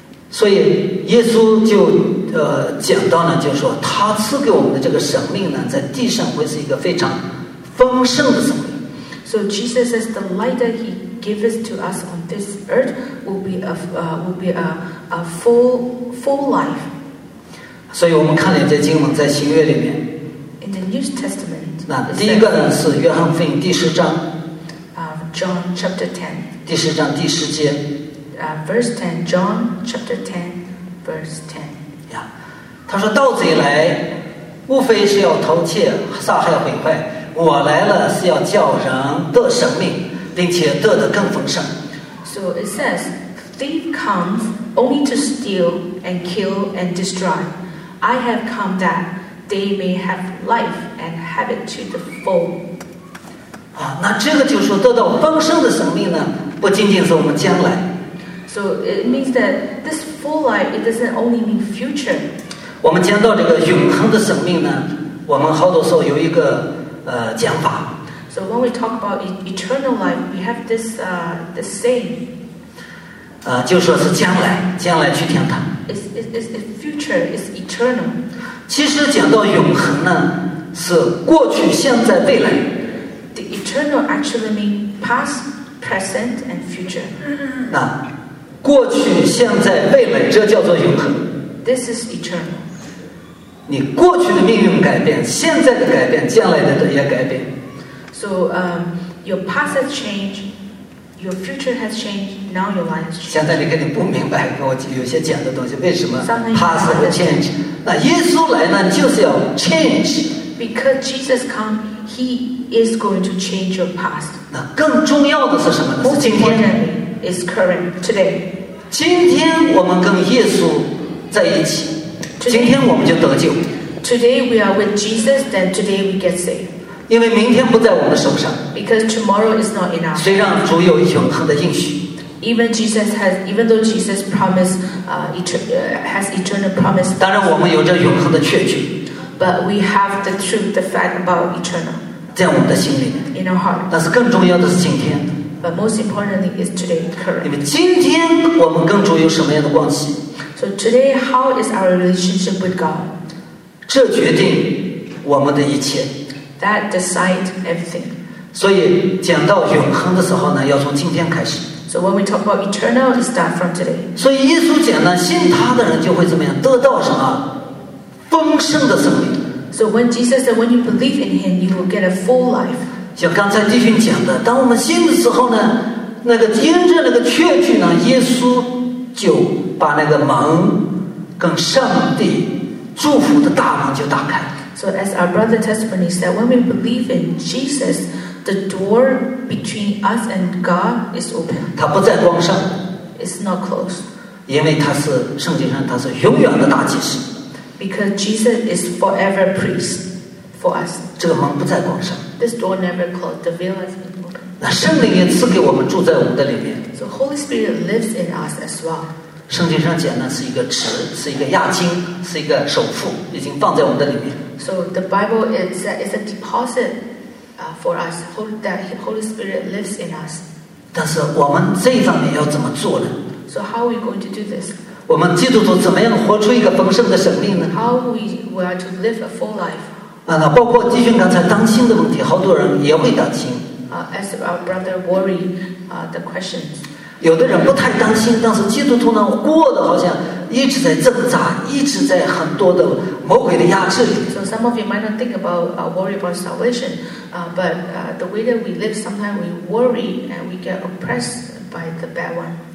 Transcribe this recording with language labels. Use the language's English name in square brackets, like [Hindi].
[Chinese] 所以耶稣就讲到呢，就是说他赐给我们的这个生命呢，在地上会是一个非常丰盛的生命。 [English] So Jesus says the light that He gives to us on this earth will be a full life. [Chinese] 所以我们看了这经文在新约里面。 [English] In the New Testament. [Chinese] 那第一个呢是约翰福音第十章。 [English] John chapter 10, [Chinese] 第十章第十节 [English] verse 10, John chapter 10, verse 10. [Chinese] Yeah, 他说盗贼来，无非是要偷窃、杀害、毁坏。我来了是要叫人得生命，并且得的更丰盛。 [English] So it says, thief comes only to steal and kill and destroy. I have come that they may have life and have it to the full. [Chinese] 那这个就是说得到丰盛的生命呢，不仅仅是我们将来。 [English] So it means that this full life, it doesn't only mean future. [Chinese] 我们讲到这个永恒的生命呢，我们好多时候有一个讲法。 [English] So when we talk about eternal life, we have this this saying. [Chinese] 就说是将来，将来去天堂。 [English] It's the future, it's eternal. [Chinese] 其实讲到永恒呢，是过去、现在、未来。 [English] The eternal actually mean past, present, and future. [Chinese] 那过去、现在、未来，这叫做永恒。 [English] This is eternal. [Chinese] 你过去的命运改变，现在的改变，将来的也改变。 [English] So, your past has changed, your future has changed. Now your life has changed. [Chinese] 现在你肯定不明白，跟我有些讲的东西，为什么 past 和 change？那耶稣来呢，就是要 change. [English] Because Jesus come, He is going to change your past. [Chinese] 那更重要的是什么呢？是今天。 [English] Most important is current today. [Chinese] 今天我们跟耶稣在一起， today, 今天我们就得救。 [English] Today we are with Jesus, then today we get saved. [Chinese] 因为明天不在我们的手上。 [English] Because tomorrow is not in our. [Chinese] 虽然主有永恒的应许。 [English] Even though Jesus promised, has eternal promise. [Chinese] 当然我们有着永恒的确据。 [English] But we have the truth, the fact about eternal. [Chinese] 在我们的心里 [English] in our heart. [Chinese] 但是更重要的是今天。 [English] But most importantly is today, current. [Chinese] 因为今天我们跟主有什么样的关系？ [English] So today, how is our relationship with God? [Chinese] 这决定我们的一切。 [English] That decides everything. [Chinese] 所以讲到永恒的时候呢，要从今天开始。 [English] So when we talk about eternal, it starts from today. [Chinese] 所以耶稣讲呢，信他的人就会怎么样？得到什么？丰盛的生命。 [English] So when Jesus said, when you believe in Him, you will get a full life. [Chinese] 像刚才弟兄讲的，当我们信的时候呢，那个因着那个确据呢，耶稣就把那个门跟上帝祝福的大门就打开。 [English] So as our brother testimony said, when we believe in Jesus, the door between us and God is open. [Chinese] 它不在光上。 [English] It's not close. [Chinese] 因为它是圣经上它是永远的大祭司。 [English] Because Jesus is forever priest for us. [Chinese] 这个门不在光上。 This door never closed. [English] The veil has been opened. [Chinese] 那圣灵也赐给我们住在我们的里面。 [English] So Holy Spirit lives in us as well. [Chinese] 圣经上讲呢，是一个池，是一个押金，是一个首付，已经放在我们的里面。 [English] So the Bible is a deposit for us. Holy Spirit lives in us. [Chinese] 但是我们这一方面要怎么做呢？ [English] So how are we going to do this? [Chinese] 我们基督徒怎么样活出一个丰盛的生命呢？ [English] How we are to live a full life? [Chinese] 那包括弟兄刚才担心的问题，好多人也会担心。 [English] As our brother worry, the questions. [Chinese] 有的人不太担心，但是基督徒呢，过得好像一直在挣扎，一直在很多的魔鬼的压制里。 [English] So some of you might not think about worry about salvation, but the way that we live, sometimes we worry and we get oppressed by the bad one.